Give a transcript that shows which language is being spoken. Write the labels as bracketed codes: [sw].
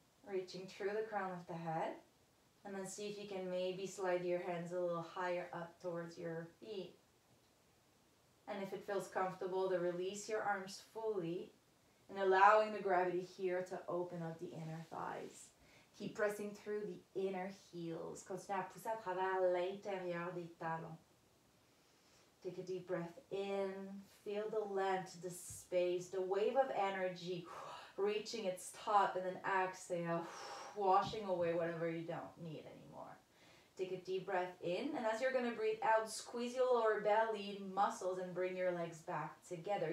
[en] Reaching through the crown of the head. And then see if you can maybe slide your hands a little higher up towards your feet. And if it feels comfortable, to release your arms fully and allowing the gravity here to open up the inner thighs. Keep pressing through the inner heels. [fr] Continue à pousser à travers l'intérieur des talons. [en] Take a deep breath in. Feel the length, the space, the wave of energy reaching its top, and then exhale, washing away whatever you don't need anymore. Take a deep breath in, and as you're going to breathe out, squeeze your lower belly muscles and bring your legs back together.